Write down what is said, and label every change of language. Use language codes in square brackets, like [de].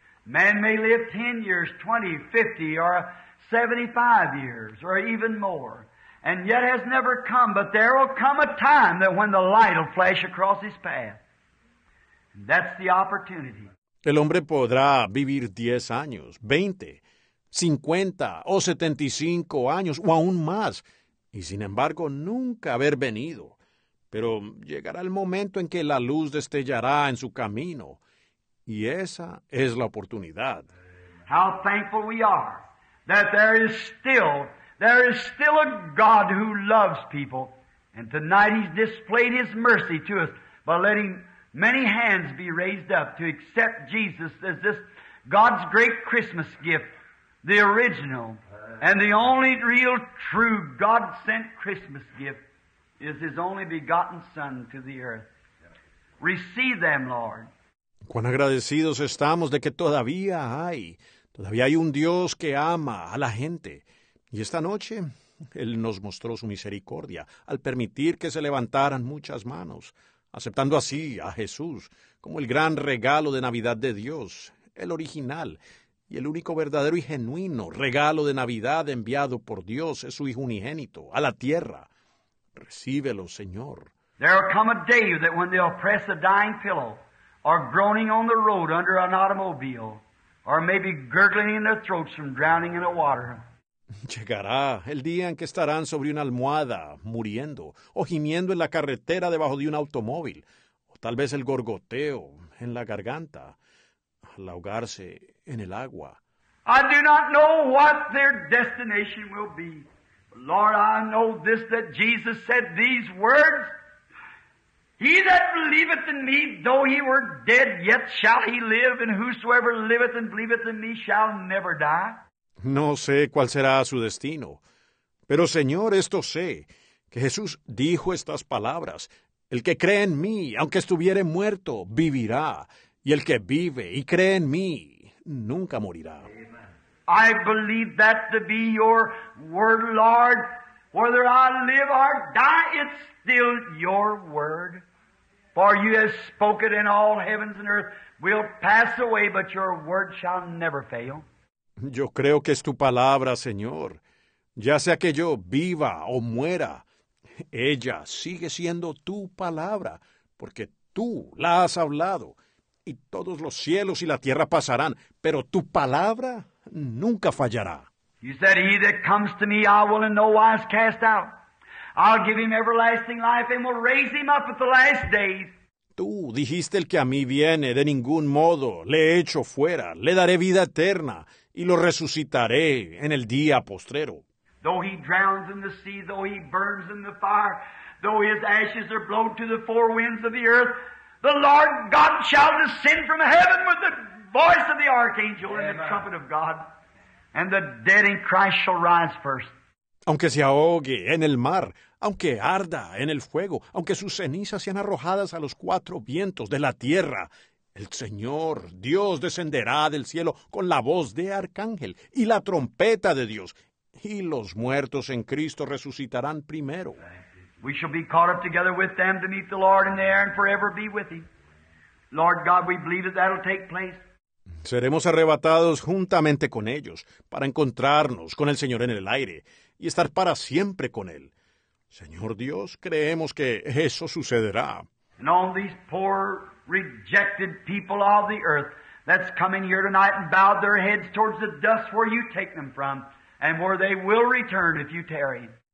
[en] Man may live 10 years, 20, 50, or 75 years, or even more. and yet has never come, but there will come a time that when the light will flash across his path. And that's the opportunity. [es] El hombre podrá vivir 10 años, 20, 50 o 75 años o aún más, y sin embargo nunca haber venido. Pero llegará el momento en que la luz destellará en su camino, y esa es la oportunidad. [en] How thankful we are that there is still a God who loves people, and tonight he's displayed his mercy to us by letting many hands be raised up to accept Jesus as this God's great Christmas gift, the original and the only real true God-sent Christmas gift is his only begotten Son to the earth. Receive them, Lord. [es] Cuán agradecidos estamos de que todavía hay un Dios que ama a la gente. Y esta noche, Él nos mostró su misericordia al permitir que se levantaran muchas manos, aceptando así a Jesús como el gran regalo de Navidad de Dios, el original y el único verdadero y genuino regalo de Navidad enviado por Dios, es su Hijo unigénito, a la tierra. Recíbelo, Señor. [en] There will come a day that when they'll press a dying pillow or groaning on the road under an automobile or maybe gurgling in their throats from drowning in a water. [es] Llegará el día en que estarán sobre una almohada, muriendo, o gimiendo en la carretera debajo de un automóvil, o tal vez el gorgoteo en la garganta, al ahogarse en el agua. [en] I do not know what their destination will be. Lord, I know this, that Jesus said these words. He that believeth in me, though he were dead, yet shall he live, and whosoever liveth and believeth in me shall never die. [es] No sé cuál será su destino, pero Señor, esto sé, que Jesús dijo estas palabras: el que cree en mí, aunque estuviere muerto, vivirá, y el que vive y cree en mí, nunca morirá. [en] I believe that to be your word, Lord. Whether I live or die, it's still your word. For you have spoken, and all heavens and earth will pass away, but your word shall never fail. [es] Yo creo que es tu palabra, Señor. Ya sea que yo viva o muera, ella sigue siendo tu palabra, porque tú la has hablado, y todos los cielos y la tierra pasarán, pero tu palabra nunca fallará. [en] You said, he that comes to me, I will in no wise cast out. I'll give him everlasting life and will raise him up at the last days. [es] Tú dijiste, el que a mí viene, de ningún modo le echo fuera, le daré vida eterna y lo resucitaré en el día postrero. [en] Though he drowns in the sea, though he burns in the fire, though his ashes are blown to the four winds of the earth, the Lord God shall descend from heaven with the voice of the archangel. Amen. And the trumpet of God. And the dead in Christ shall rise first. [es] Aunque se ahogue en el mar, aunque arda en el fuego, aunque sus cenizas sean arrojadas a los cuatro vientos de la tierra, el Señor Dios descenderá del cielo con la voz de arcángel y la trompeta de Dios, y los muertos en Cristo resucitarán primero. [en] We shall be caught up together with them to meet the Lord in the air and forever be with him. Lord God, we believe that that'll take place. [es] Seremos arrebatados juntamente con ellos para encontrarnos con el Señor en el aire y estar para siempre con Él. Señor Dios, creemos que eso sucederá. [en] And all these poor, rejected people of the earth that's coming here tonight and bowed their heads towards the dust where you take them from and where they will return if you tarry.